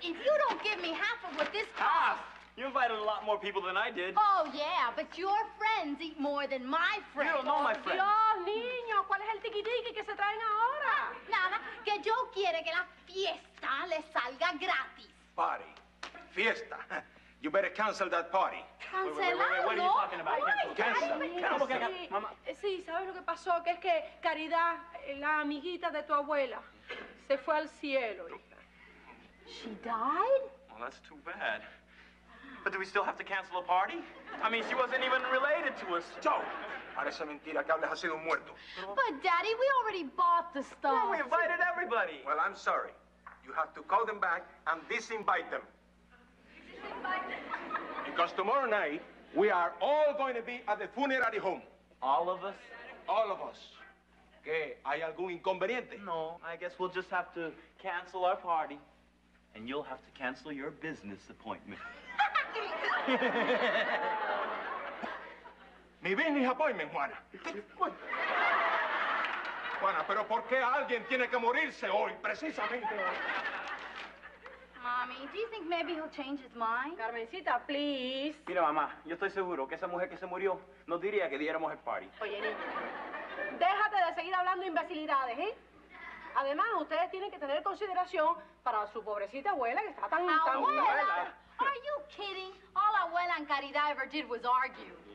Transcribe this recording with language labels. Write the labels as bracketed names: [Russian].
[English] If you don't give me half of what this costs... You invited a lot more people than I did. Oh, yeah, but your friends eat more than my friends. You don't know my friends. [Spanish] Dios, niño, ¿cuál es el tiki-tiki que se traen ahora? Nada, que yo quiere que la fiesta le salga gratis. [English] Party. Fiesta. You better cancel that party. [Spanish] ¿Cancelarlo? [English] What are you talking about? [Spanish] Sí, ¿sabes lo que pasó? Que es que Caridad, la amiguita de tu abuela, se fue al cielo, hija. [English] She died? Well, that's too bad. But do we still have to cancel a party? I mean, she wasn't even related to us. [Spanish] Joe, parece mentira que hables así de un muerto. [English] But, Daddy, we already bought the stuff. Well, we invited everybody. Well, I'm sorry. You have to call them back and disinvite them. Because tomorrow night, we are all going to be at the funerary home. All of us? All of us. [Spanish] ¿Qué? ¿Hay algún inconveniente? [English] No, I guess we'll just have to cancel our party. And you'll have to cancel your business appointment. [Spanish] Mi [English] business appointment, [Spanish] Juana. Juana, pero ¿por qué alguien tiene que morirse hoy, precisamente hoy? [English] Mommy, do you think maybe he'll change his mind? Carmencita, please. [Spanish] Mira, mamá, yo estoy seguro que esa mujer que se murió nos diría que diéramos el party. Oye, niña, déjate de seguir hablando imbecilidades, ¿eh? Además, ustedes tienen que tener consideración para su pobrecita abuela que está tan... [English] ¿Abuela? Are you kidding? All abuela and Caridad ever did was argue.